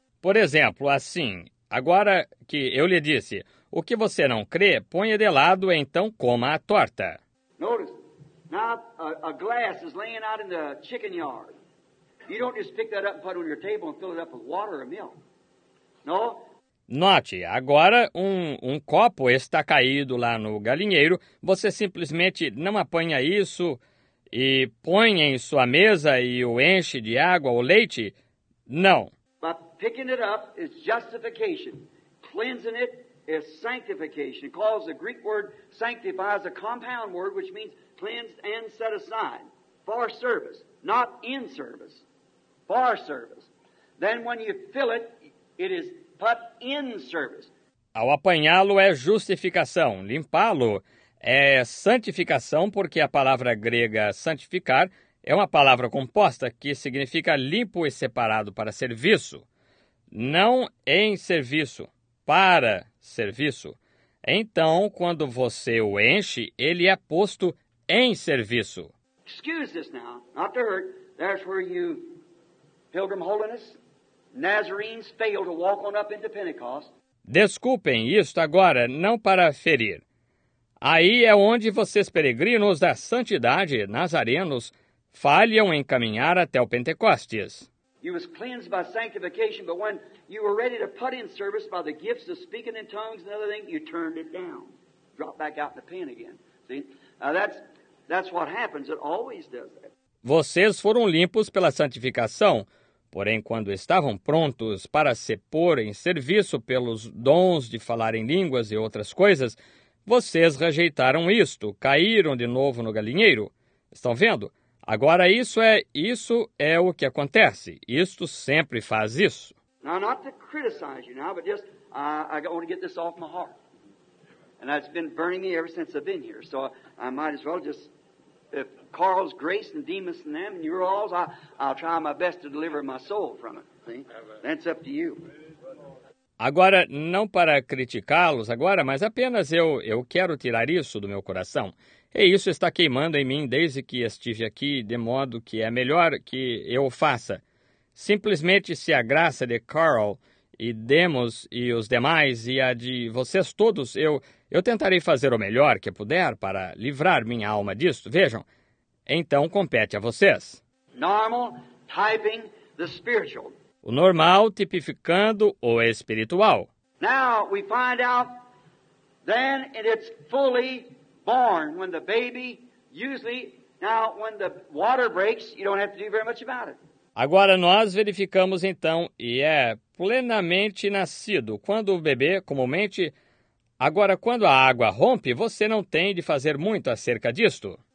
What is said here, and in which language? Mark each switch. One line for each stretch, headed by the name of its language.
Portuguese: Por exemplo, assim, agora que eu lhe disse, o que você não crê, ponha de lado e então coma a torta.
English: Notice, now a glass is laying out in the chicken yard. You don't just pick that up and put it on your table and fill it up with water or milk. No?
Portuguese: Note, agora um copo está caído lá no galinheiro. Você simplesmente não apanha isso e põe em sua mesa e o enche de água ou leite? Não.
English: But picking it up is justification. Cleansing it is sanctification. Because the Greek word sanctify is a compound word which means cleansed and set aside. For service, not in service. For service. Then when you fill it, it is put in service.
Portuguese: Ao apanhá-lo é justificação. Limpá-lo é santificação, porque a palavra grega santificar é uma palavra composta que significa limpo e separado para serviço. Não em serviço, para serviço. Então, quando você o enche, ele é posto em serviço.
English: Excuse this now, not to hurt. That's where you, Pilgrim Holiness, Nazarenes fail to walk on up into Pentecost.
Portuguese: Desculpem isto agora, não para ferir. Aí é onde vocês, peregrinos da santidade, nazarenos, falham em caminhar até o Pentecostes.
English: You was cleansed by sanctification, but when you were ready to put in service by the gifts of speaking in tongues and other things, you turned it down. Drop back out in the pen again. See? Now that's what happens. It always does that.
Portuguese: Vocês foram limpos pela santificação, Porém, quando estavam prontos para se pôr em serviço pelos dons de falar em línguas e outras coisas, vocês rejeitaram isto, caíram de novo no galinheiro. Estão vendo? Agora isso é o que acontece. Isto sempre faz isso.
English: Now, not to criticize you now, but just I want to get this off my heart. And it's been burning me ever since I've been here. So I might as well just, if Carl's grace and Demas and them and you're all's, I'll try my best to deliver my soul from it. See? That's up to you.
Portuguese: Agora, não para criticá-los agora, mas apenas eu quero tirar isso do meu coração. E isso está queimando em mim desde que estive aqui, de modo que é melhor que eu o faça. Simplesmente se a graça de Carl e Demos e os demais e a de vocês todos, eu tentarei fazer o melhor que puder para livrar minha alma disto. Vejam, então compete a vocês.
English: Normal typing the spiritual.
Portuguese: O normal tipificando o espiritual.
English: Now we find out then it's fully born when the baby usually now when the water breaks you don't have to do very much about it.
Portuguese: Agora nós verificamos então e é plenamente nascido quando o bebê comumente agora quando a água rompe você não tem de fazer muito acerca disto.